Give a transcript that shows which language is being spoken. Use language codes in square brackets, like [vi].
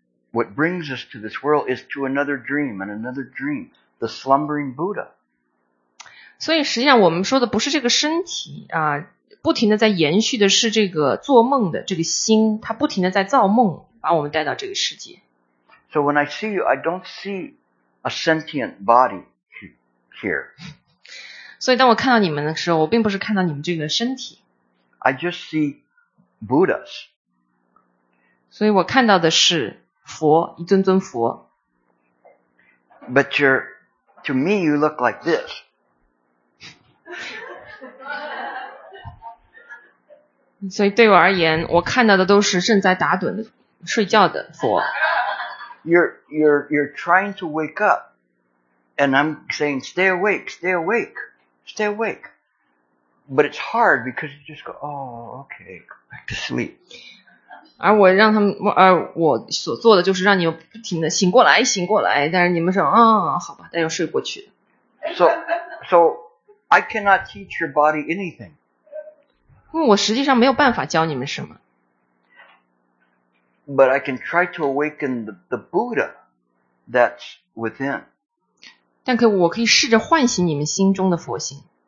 [en] What brings us to this world is to another dream and another dream, the slumbering Buddha. [zh] 所以实际上我们说的不是这个身体啊。不停地在延续的是这个做梦的这个心，它不停地在造梦，把我们带到这个世界。 [en] So when I see you, I don't see a sentient body here. [zh] 所以当我看到你们的时候，我并不是看到你们这个身体。 [en] I just see Buddhas. [zh] 所以我看到的是佛，一尊尊佛。 [en] But to me, you look like this. [zh] 所以对我而言，我看到的都是正在打盹的、睡觉的佛。 [en] You're trying to wake up, and I'm saying stay awake, stay awake, stay awake. But it's hard because you just go, oh, okay, back to sleep. [zh] 而我让他们，我所做的就是让你不停的醒过来，醒过来。但是你们说，啊、哦，好吧，但又睡过去了。 [en] So I cannot teach your body anything. [zh] 我实际上没有办法教你们什么。 [en] But I can try to awaken the Buddha that's within. [zh] 但我可以试着唤醒你们心中的佛心。